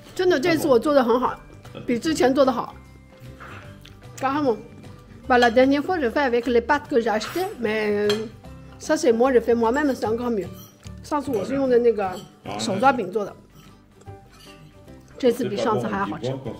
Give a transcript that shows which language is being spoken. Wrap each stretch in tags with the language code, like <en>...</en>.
<zh>真的，这次我做的很好，比之前做的好。</zh> <fr>carrément. Bah, la dernière fois, je fais avec les pâtes que j'ai achetées, mais ça, c'est moi, je fais moi-même, c'est encore mieux.</fr> <zh>上次我是用的那个手抓饼做的，这次比上次还好吃。</zh>